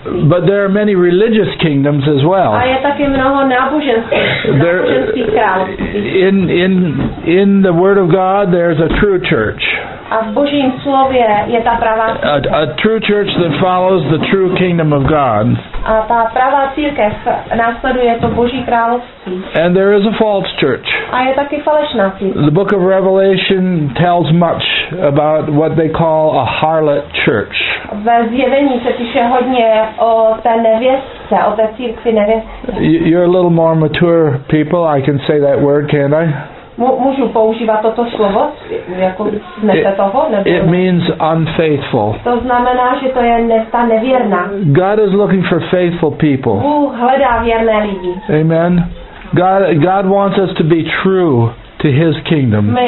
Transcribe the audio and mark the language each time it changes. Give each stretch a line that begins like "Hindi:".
English: But there are many religious kingdoms as well. There, in the Word of God, there's a true church.
Czech: A v Božím slově je ta pravá církev.
English: A true church that follows the true kingdom of God.
Czech: A ta pravá církev následuje to Boží království.
English: And there is a false church.
Czech: A je taky falešná církev.
English: The book of Revelation tells much about what they call a harlot church.
Czech: Ve Zjevení se píše hodně o té nevěstce, o té církvi nevěstce.
English: You're a little more mature people. I can say that word, can't I?
Czech: Můžu používat toto slovo?
English: It means unfaithful.
Czech: To znamená, že to je ta nevěrná.
English: God is looking for faithful people.
Czech: Bůh hledá věrné lidi. Amen.
English: God wants us to be true to His kingdom.